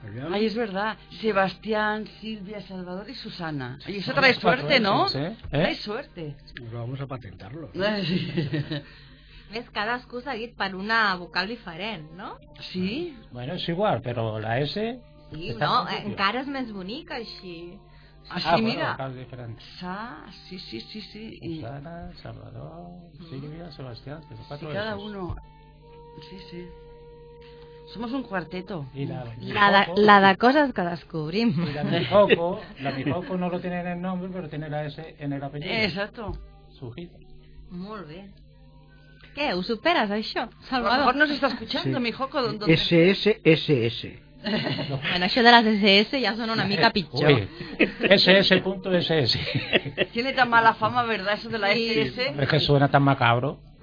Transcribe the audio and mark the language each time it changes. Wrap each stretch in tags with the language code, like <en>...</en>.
<es>Ay, es verdad. Sebastián, Silvia, Salvador y Susana. Y eso trae suerte, ¿no? Trae suerte. Pero vamos a patentarlo. ¿Ves? Cada excusa es para una vocal diferente, ¿no? Sí. Bueno, es igual, pero la S...</es> <ca>Sí, no, encara és més bonica així. Així, ah, mira. Bueno, cal diferent. Sí. Susana, Salvador, Silvia, Sebastián, que són quatre.</ca> <es>Sí, cada uno. Sí. Somos un cuarteto.</es> <ca>La de coses que descobrim.</ca> <es>La Mijoco no lo tiene en el nombre, pero tiene la S en el apellido. Exacto. Sujita.</es> <ca>Molt bé. Què, ho superes, això, Salvador?</ca> <es>A lo mejor nos está escuchando, sí. Mijoco. SS.</es> <ca>Bueno, això de les SS ja són una mica pitjor. SS.SS.</ca> <es>Tiene tan mala fama, ¿verdad? Eso de la SS. Sí, es que suena tan macabro.</es>